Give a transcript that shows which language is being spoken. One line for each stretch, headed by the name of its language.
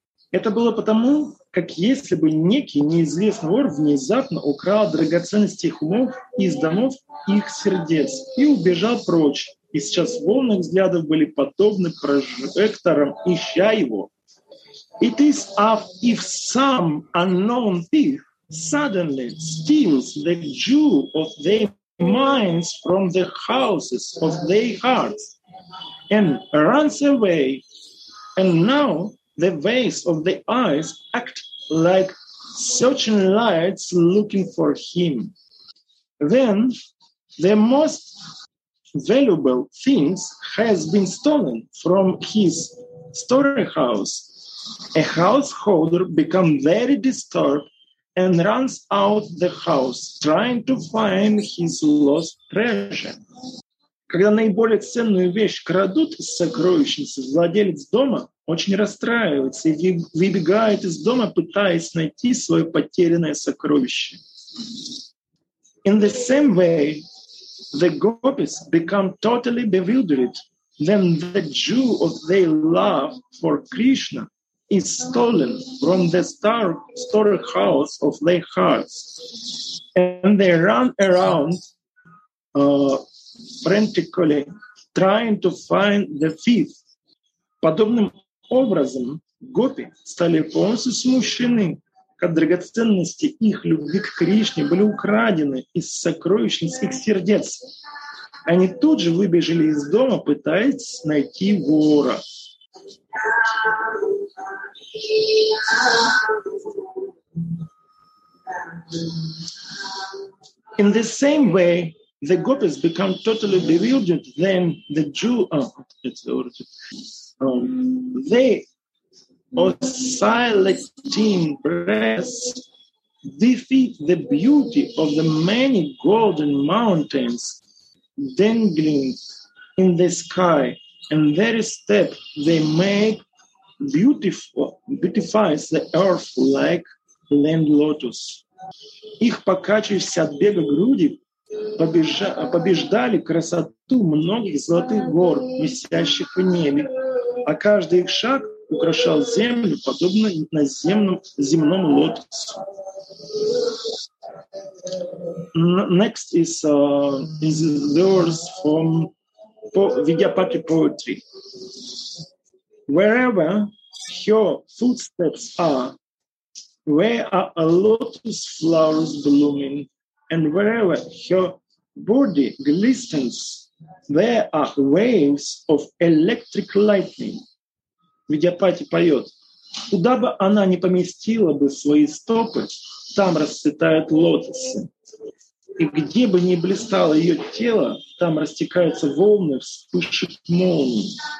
Russian: Это было потому, как если бы некий неизвестный вор внезапно украл драгоценности их умов из домов их сердец и убежал прочь. И сейчас волны взглядов были подобны прожекторам, ища его.
English: It is as if some unknown thief suddenly steals the jewel of their minds from the houses of their hearts and runs away. And now the waves of the eyes act like searching lights looking for him. Then the most valuable things has been stolen from his storehouse. A householder becomes very disturbed and runs out the house trying to find his lost treasure.
Russian: когда наиболее ценную вещь крадут из сокровищницы, владелец дома очень расстраивается и выбегает из дома, пытаясь найти свое потерянное сокровище.
English: In the same way, the gopis become totally bewildered when the jewel of their love for Krishna is stolen from the storehouse of their hearts. And they run around frantically, trying to find the thief.
Russian: Подобным образом гопи стали полностью смущены, как драгоценности их любви к Кришне были украдены из сокровищниц их сердец. Они тут же выбежали из дома, пытаясь найти вора.
English: In the same way, the gopis become totally bewildered when the oscillating breasts defeat the beauty of the many golden mountains dangling in the sky, and every step they make beautifies the earth like land lotus.
Russian: Их покачивающиеся от бега груди побеждали красоту многих золотых гор, висящих в небе, а каждый их шаг украшал землю, подобно земному лотосу.
English: Next is verse from Vidyapati poetry. Wherever her footsteps are, where are a lotus flowers blooming, and wherever her body glistens, there are waves of electric lightning.
Russian: Vidyapati поет. Куда бы она ни поместила бы свои стопы, там расцветают лотосы. И где бы ни блистало ее тело, там растекаются волны, вспышек молний.